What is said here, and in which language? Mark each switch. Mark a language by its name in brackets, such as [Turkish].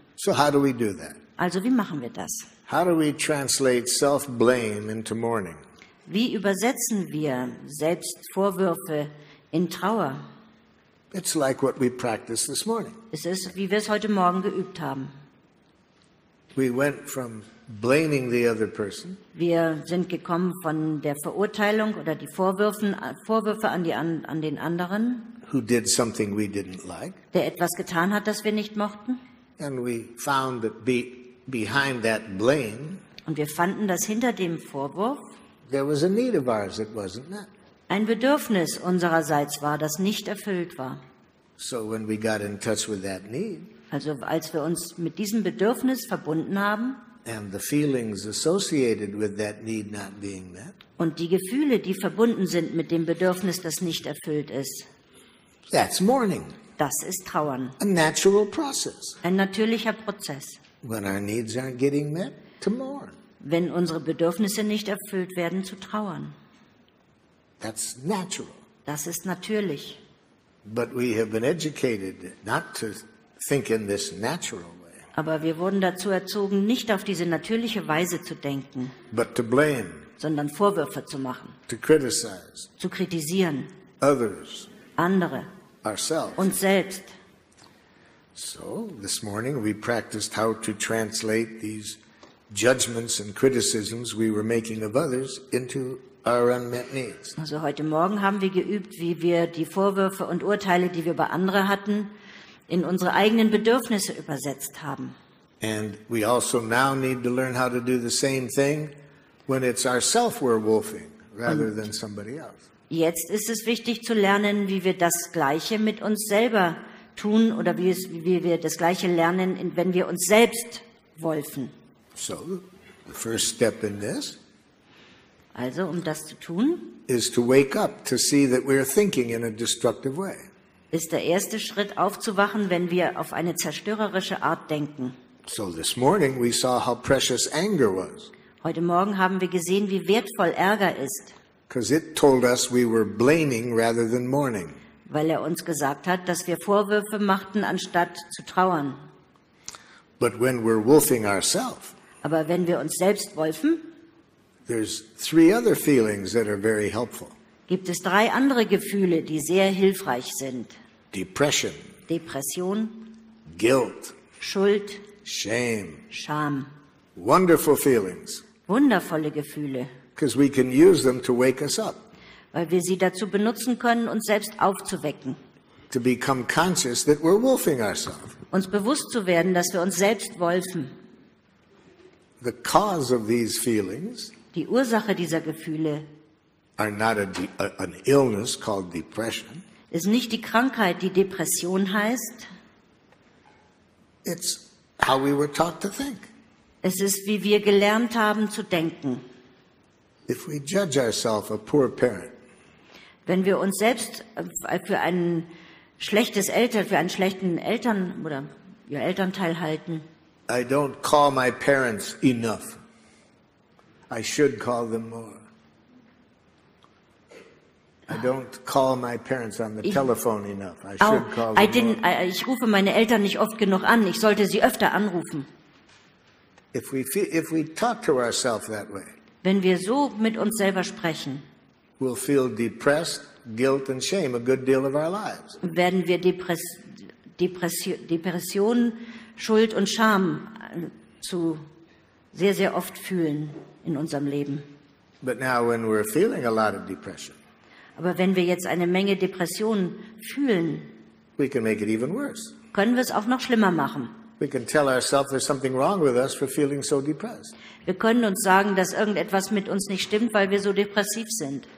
[English] So how do we do that? [German] Also wie machen wir das? [English] How do we translate self-blame into mourning? [German] Wie übersetzen wir Selbstvorwürfe in Trauer? [English] It's like what we practiced this morning. [German] Es ist, wie wir es heute Morgen geübt haben. [English] We went from blaming the other person. [German] Wir sind gekommen von der Verurteilung oder die Vorwürfe an den anderen. [English] Who did something we didn't like. [German] Der etwas getan hat, das wir nicht mochten. [English] And we found that behind that blame. [German] Und wir fanden, dass hinter dem Vorwurf. [English] There was a need of ours that wasn't met. [German] Ein Bedürfnis unsererseits war, das nicht erfüllt war. [English] So when we got in touch with that need. [German] Also als wir uns mit diesem Bedürfnis verbunden haben. [English] And the feelings associated with that need not being met. [German] Und die Gefühle, die verbunden sind mit dem Bedürfnis, das nicht erfüllt ist. [English] That's mourning. [German] Das ist Trauern. [English] A natural process. [German] Ein natürlicher Prozess. [English] When our needs aren't getting met, to mourn. [German] Wenn unsere Bedürfnisse nicht erfüllt werden, zu trauern. [English] That's natural. [German] Das ist natürlich. [English] But we have been educated not to think in this natural way. [German] Aber wir wurden dazu erzogen, nicht auf diese natürliche Weise zu denken. [English] But to blame. [German] Sondern Vorwürfe zu machen. [English] To criticize. [German] Zu kritisieren. [English] Others. [German] Andere. [English] Ourselves. [German] Uns selbst. [English] So, this morning we practiced how to translate these judgments and criticisms we were making of others into our unmet needs. [German] Also heute Morgen haben wir geübt, wie wir die Vorwürfe und Urteile, die wir bei anderen hatten, in unsere eigenen Bedürfnisse übersetzt haben. [English] And we also now need to learn how to do the same thing when it's ourself we're wolfing rather than somebody else. [German] Jetzt ist es wichtig zu lernen, wie wir das Gleiche mit uns selber tun oder wie wir das Gleiche lernen, wenn wir uns selbst wolfen. [English] So, the first step in this. [German] Also, um das zu tun, [English] is to wake up to see that we are thinking in a destructive way. [German] Ist der erste Schritt aufzuwachen, wenn wir auf eine zerstörerische Art denken. [English] So this morning we saw how precious anger was. [German] Heute Morgen haben wir gesehen, wie wertvoll Ärger ist. [English] Because it told us we were blaming rather than mourning. [German] Weil uns gesagt hat, dass wir Vorwürfe machten anstatt zu trauern. [English] But when we're wolfing ourselves, [German] aber wenn wir uns selbst wolfen, [English] there's three other feelings that are very helpful. [German] Gibt es drei andere Gefühle, die sehr hilfreich sind. [English] Depression. [German] Depression. [English] Guilt. [German] Schuld. [English] Shame. [German] Scham. [English] Wonderful feelings. [German] Wundervolle Gefühle. [English] Because we can use them to wake us up. [German] Weil wir sie dazu benutzen können, uns selbst aufzuwecken. [English] To become conscious that we're wolfing ourselves. [German] Uns bewusst zu werden, dass wir uns selbst wolfen. [English] The cause of these feelings, [German] die Ursache dieser Gefühle, [English] are not an illness called depression, [German] ist nicht die Krankheit, die Depression heißt. [English] It's how we were taught to think. [German] Es ist, wie wir gelernt haben zu denken. [English] If we judge ourselves a poor parent, [German] wenn wir uns selbst für einen schlechtes Eltern für einen schlechten Eltern oder ihr Elternteil halten. [English] I don't call my parents enough. I should call them more. I don't call my parents on the telephone enough. I should call them. [German] Ich rufe meine Eltern nicht oft genug an. Ich sollte sie öfter anrufen. [English] If we talk to ourselves that way, [German] wenn wir so mit uns selber sprechen, [English] we'll feel depressed, guilt and shame a good deal of our lives. [German] Werden wir Depression, Schuld und Scham zu sehr, sehr oft fühlen in unserem Leben. [English] But now when we're feeling a lot of depression, [German] aber wenn wir jetzt eine Menge Depressionen fühlen, [English] we can make it even worse. [German] Können wir es auch noch schlimmer machen. [English] We can tell ourselves there's something wrong with us for feeling so depressed. [German] Wir können uns sagen, dass irgendetwas mit uns nicht stimmt, weil wir so depressiv sind.